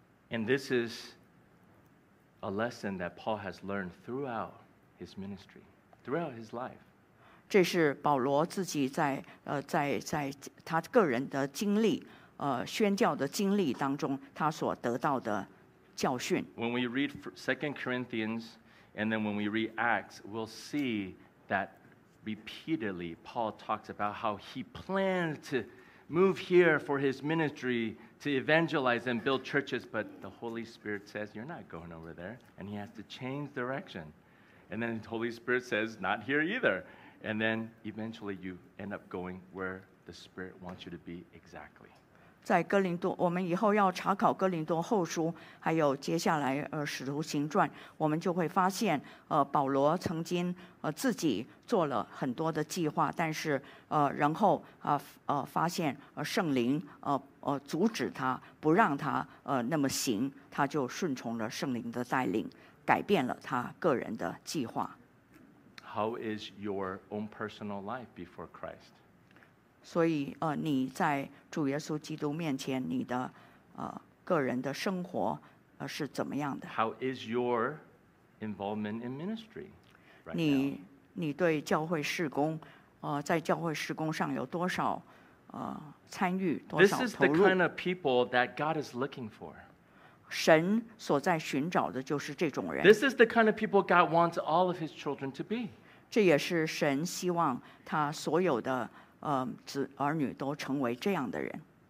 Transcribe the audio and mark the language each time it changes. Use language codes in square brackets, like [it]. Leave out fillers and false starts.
[en] And this is a lesson that Paul has learned throughout his ministry, throughout his life. [zh] 这是保罗自己在他个人的经历宣教的经历当中他所得到的。 [en] When we read 2 Corinthians and then when we read Acts, we'll see that repeatedly Paul talks about how he planned to move here for his ministry to evangelize and build churches, but the Holy Spirit says, you're not going over there, and he has to change direction. And then the Holy Spirit says, not here either. And then eventually you end up going where the Spirit wants you to be exactly. [zh] 在哥林多，我们以后要查考哥林多后书，还有接下来使徒行传，我们就会发现，保罗曾经自己做了很多的计划，但是然后发现圣灵阻止他，不让他那么行，他就顺从了圣灵的带领，改变了他个人的计划。 [en] How is your own personal life before Christ? [zh] 所以你在主耶稣基督面前你的个人的生活是怎么样的 [en] How is your involvement in ministry right now? [zh] 你对教会事工在教会事工上有多少参与多少投入 [en] This is the kind of people that God is looking for. [zh] 神所在寻找的就是这种人 [en] This is the kind of people God wants all of his children to be. [zh] 这也是神希望他所有的子儿女都成为这样的人